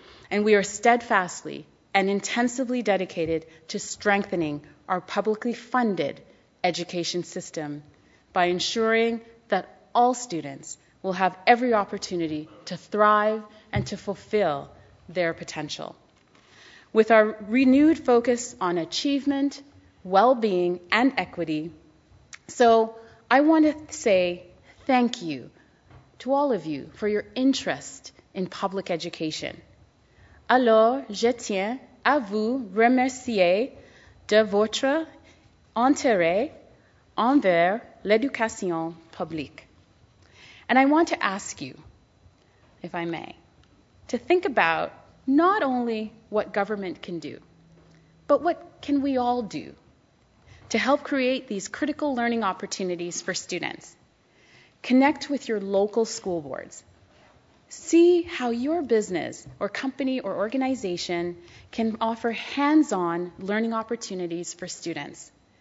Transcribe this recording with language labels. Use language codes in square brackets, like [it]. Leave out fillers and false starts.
[en] And we are steadfastly and intensively dedicated to strengthening our publicly funded education system by ensuring that all students will have every opportunity to thrive and to fulfill their potential. With our renewed focus on achievement, well-being, and equity, so I want to say thank you to all of you for your interest in public education. [fr] Alors, je tiens à vous remercier de votre intérêt envers l'éducation publique. [en] And I want to ask you, if I may, to think about not only what government can do, but what can we all do to help create these critical learning opportunities for students. Connect with your local school boards. See how your business or company or organization can offer hands-on learning opportunities for students.